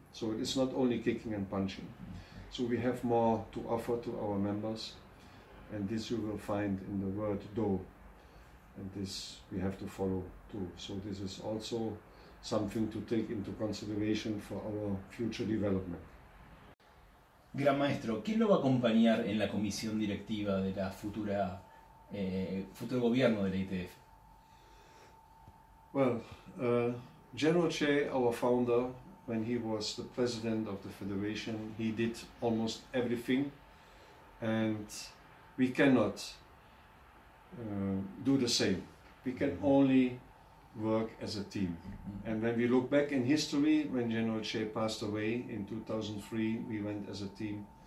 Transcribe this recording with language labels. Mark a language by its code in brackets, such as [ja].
[en] So it's not only kicking and punching. So we have more to offer to our members, and this you will find in the word Do, and this we have to follow too. So this is also something to take into consideration for our future development. [es] Gran maestro, ¿quién lo va a acompañar en la comisión directiva de la futura futuro gobierno de la ITF? [en] Well, General Che, our founder, when he was the president of the federation, he did almost everything, and we cannot do the same. We can only work as a team. And when we look back in history, when General Che passed away in 2003, we went as a team.